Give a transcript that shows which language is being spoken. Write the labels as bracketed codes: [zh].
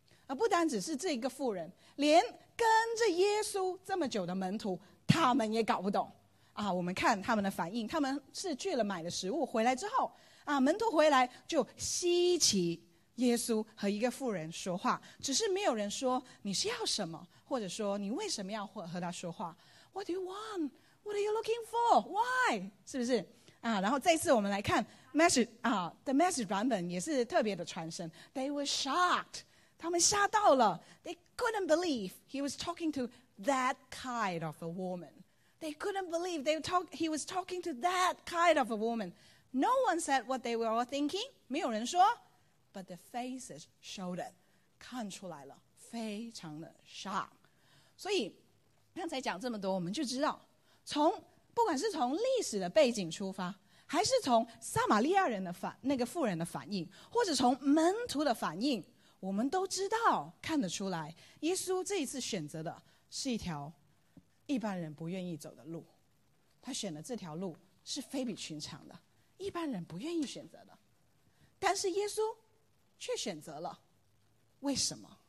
[zh] 不单只是这个妇人，连跟着耶稣这么久的门徒他们也搞不懂我们看他们的反应，他们是去了买的食物回来之后门徒回来就稀奇耶稣和一个妇人说话，只是没有人说你是要什么，或者说你为什么要和他说话， [en] What do you want? What are you looking for? Why? [zh] 是不是然后这次我们来看 [en] The Message [zh] 版本也是特别的传神， [en] They were shocked, [zh] 他们吓到了， [en] They couldn't believe he was talking to that kind of a woman, They couldn't believe he was talking to that kind of a woman, No one said what they were all thinking, [zh] 没有人说， [en] But the faces showed it, [zh] 看出来了，非常的 [en] shock。 [zh] 所以刚才讲这么多，我们就知道从不管是从历史的背景出发，还是从撒玛利亚人的那个妇人的反应，或者从门徒的反应，我们都知道看得出来耶稣这一次选择的是一条一般人不愿意走的路，他选的这条路是非比寻常的，一般人不愿意选择的，但是耶稣却选择了。为什么？